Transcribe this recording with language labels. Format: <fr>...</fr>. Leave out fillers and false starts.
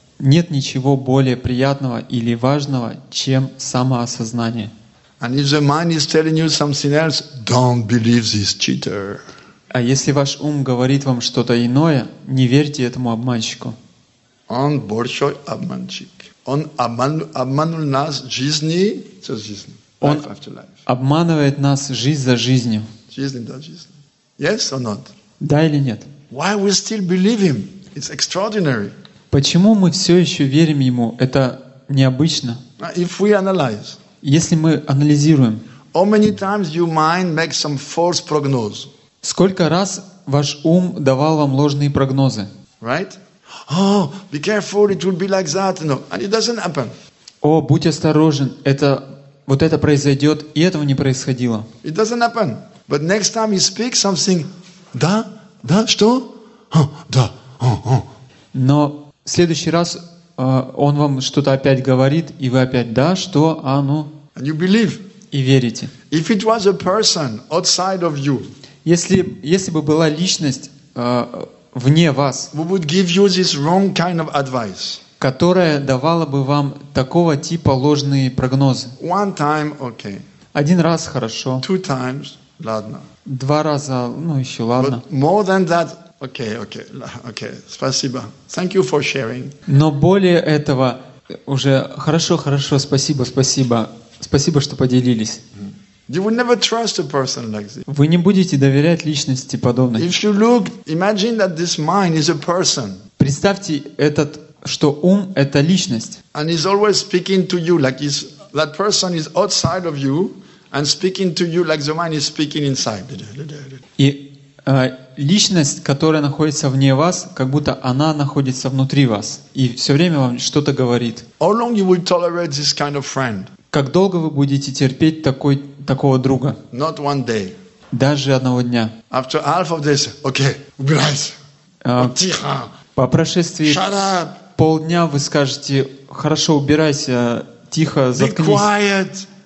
<ru>Нет ничего более приятного или важного, чем самоосознание.</ru> <en>And if the mind is telling you something else, don't believe this cheater.</en> <ru>А если ваш ум говорит вам что-то иное, не верьте этому обманщику. Он большой обманщик. Он обманул нас жизни за жизнь. Он обманывает нас жизнь за жизнью. Жизнь за жизнь.</ru> <en>Yes or not?</en> <ru>Да или нет?</ru> <en>Why we still believe him? It's extraordinary.</en> <ru>Почему мы все еще верим ему? Это необычно.</ru> <en>If we analyze,</en> <ru>если мы анализируем,</ru> <en>how many times your mind makes some false prognosis?</en> <ru>Сколько раз ваш ум давал вам ложные прогнозы?</ru> <en>Right? Oh, be careful, it will be like that. No, and it doesn't happen.</en> <ru>О, будь осторожен, это вот это произойдет, и этого не происходило.</ru> <en>It doesn't happen. But next time you speak something,</en> <ru>да, да, что? Да. Но в следующий раз он вам что-то опять говорит, и вы опять «да, что, а, ну».</ru> <en>And you believe.</en> <ru>И верите.</ru> <en>If it was a person outside of you,</en> <ru>если бы была личность вне вас,</ru> <en>we would give you this wrong kind of advice,</en> <ru>которая давала бы вам такого типа ложные прогнозы.</ru> <en>One time, okay.</en> <ru>Один раз хорошо.</ru> <en>Two times,</en> <ru>ладно. Два раза, ну еще ладно.</ru> <en>But more than that, okay, okay, okay.</en> <ru>Спасибо.</ru> <en>Thank you for sharing.</en> <ru>Но более этого уже хорошо, хорошо. Спасибо, спасибо, спасибо, что поделились.</ru> <en>You will never trust a person like this.</en> <ru>Вы не будете доверять личности подобной.</ru> <en>If you look, imagine that this mind is a person.</en> <ru>Представьте, этот, что ум — это личность.</ru> <en>And he's always speaking to you like he's, that person is outside of you and speaking to you like the mind is speaking inside.</en> <ru>И личность, которая находится вне вас, как будто она находится внутри вас и все время вам что-то говорит.</ru> <en>How long you will tolerate this kind of friend?</en> <ru>Как долго вы будете терпеть такого друга?</ru> <en>Not one day.</en> <ru>Даже одного дня.</ru> <en>After half of this, okay,</en> <ru>убирайся. Тихо. По прошествии полдня вы скажете: хорошо, убирайся, тихо, заткнись.</ru> <en>Be quiet.</en>